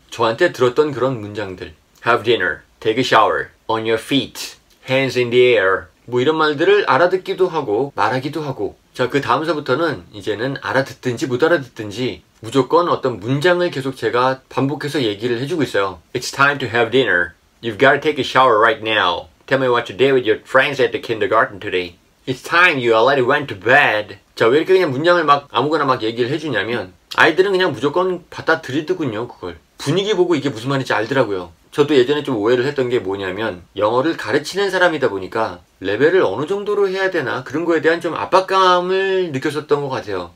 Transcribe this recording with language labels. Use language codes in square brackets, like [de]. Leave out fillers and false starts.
[ko] 저한테 들었던 그런 문장들. [en] Have dinner. Take a shower. On your feet. Hands in the air. [ko] 뭐 이런 말들을 알아듣기도 하고 말하기도 하고. 자, 그 다음서부터는 이제는 알아듣든지 못 알아듣든지 무조건 어떤 문장을 계속 제가 반복해서 얘기를 해주고 있어요. [en] It's time to have dinner. You've got to take a shower right now. Tell me what you did with your friends at the kindergarten today. It's time you already went to bed. [ko] 자, 왜 이렇게 그냥 문장을 막 아무거나 막 얘기를 해주냐면 아이들은 그냥 무조건 받아들이더군요, 그걸. 분위기 보고 이게 무슨 말인지 알더라고요. 저도 예전에 좀 오해를 했던 게 뭐냐면 영어를 가르치는 사람이다 보니까 레벨을 어느 정도로 해야 되나 그런 거에 대한 좀 압박감을 느꼈었던 것 같아요.